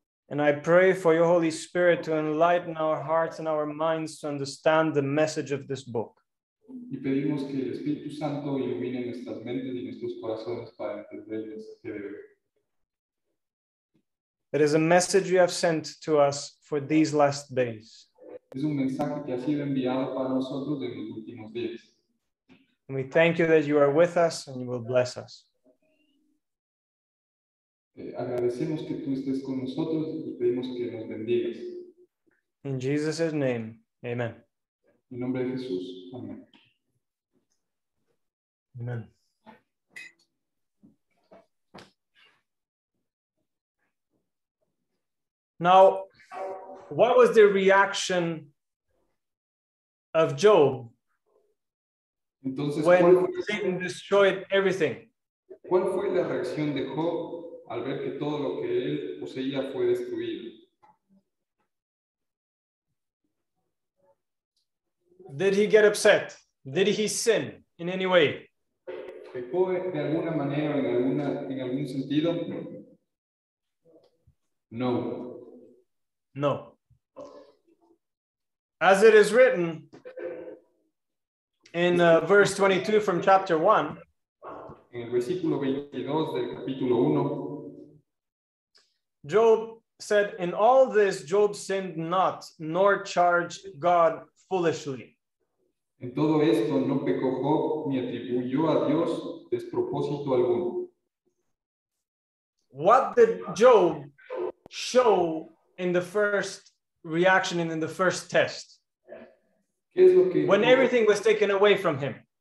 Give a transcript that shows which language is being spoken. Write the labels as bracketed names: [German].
[English] And I pray for your Holy Spirit to enlighten our hearts and our minds to understand the message of this book. [Spanish] Y pedimos que el Espíritu Santo ilumine nuestras mentes y nuestros corazones para entender el mensaje de hoy. [English] It is a message you have sent to us for these last days. [Spanish] Es un mensaje que ha sido enviado para nosotros en los últimos días. [English] And we thank you that you are with us and you will bless us. [Spanish] Agradecemos que tú estés con nosotros y pedimos que nos bendigas. [English] In Jesus' name, amen. [Spanish] En nombre de Jesús, amén. [English] Amen. Now, what was the reaction of Job [Spanish] entonces, [English] when Satan destroyed everything? [Spanish] ¿Cuál fue la reacción de Job al ver que todo lo que él poseía fue destruido? [English] Did he get upset? Did he sin in any way? [Spanish] De alguna manera, en algún sentido, no. No. [English] As it is written in verse 22 from chapter 1. [Spanish] En el versículo 22 del capítulo 1. [English] Job said, in all this, Job sinned not, nor charged God foolishly. [Spanish] En todo esto no pecó Job ni atribuyó a Dios despropósito alguno. [English] What did Job show in the first reaction and in the first test? [Spanish] ¿Qué es lo que [English] when Job, everything was taken away from him?